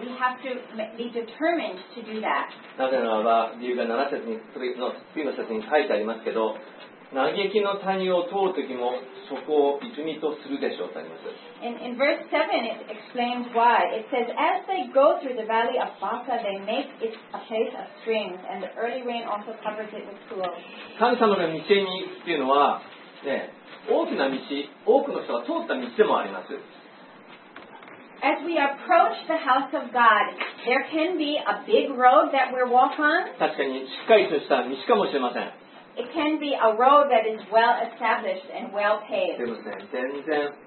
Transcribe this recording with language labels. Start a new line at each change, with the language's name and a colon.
English: We have to be determined to do that.
Japanese: なぜならば、理由が7節に、次の節に書いてありますけど、嘆きの谷を通るときもそこを泉とするでしょうとあります。
English: In verse 7, it explains why. It says, As they go through the valley of Baca, they make it a place of streams, and the early rain also covers it with pools.
Japanese: 神様の御手にっていうのは、ね、大きな道、多くの人が通った道でもあります。
English: As we approach the house of God, there can be a big road that we walk on.
Japanese: 確かにしっかりとした道かもしれません。
English: It can be a road that is well established and well paved.